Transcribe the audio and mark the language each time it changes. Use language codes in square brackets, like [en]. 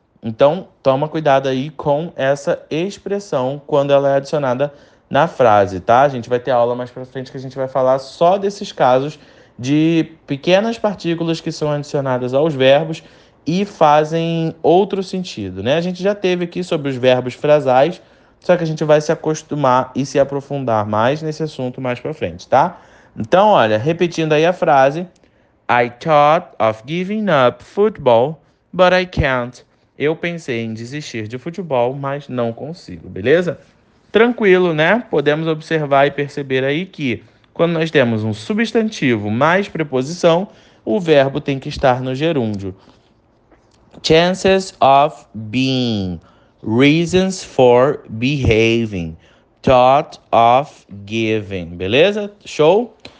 [pt] Então, toma cuidado aí com essa expressão quando ela é adicionada na frase, tá? A gente vai ter aula mais pra frente que a gente vai falar só desses casos de pequenas partículas que são adicionadas aos verbos e fazem outro sentido, né? A gente já teve aqui sobre os verbos frasais, só que a gente vai se acostumar e se aprofundar mais nesse assunto mais pra frente, tá? Então, olha, repetindo aí a frase. [en] I thought of giving up football, but I can't. [pt] Eu pensei em desistir de futebol, mas não consigo, beleza? Tranquilo, né? Podemos observar e perceber aí que quando nós temos um substantivo mais preposição, o verbo tem que estar no gerúndio. [en] Chances of being, reasons for behaving, thought of giving, [pt] beleza? Show?